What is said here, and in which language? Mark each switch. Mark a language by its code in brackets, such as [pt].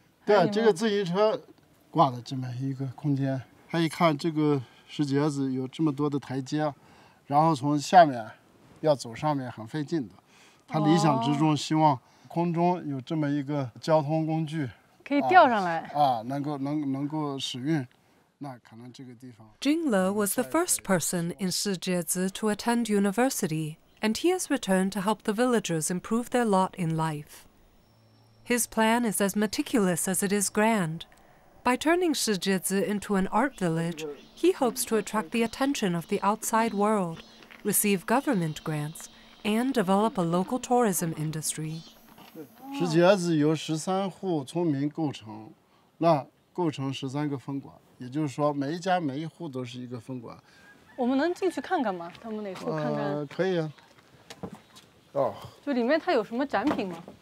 [zh] 对，这个自行车挂的这么一个空间，还一看这个石碣子有这么多的台阶，然后从下面要走上面很费劲的。他理想之中希望空中有这么一个交通工具，可以吊上来啊，能够使用，那可能这个地方。 [en] Jing Le was the first person in Shijiezi to attend university, and he has returned to help the villagers improve their lot in life. His plan is as meticulous as it is grand. By turning Shijiezi into an art village, he hopes to attract the attention of the outside world, receive government grants. And develop a local tourism industry. [zh] 石碣子由十三户村民构成，那构成十三个分馆，也就是说每一家每一户都是一个分馆。我们能进去看看吗？他们哪户看看？可以啊。哦。就里面它有什么展品吗？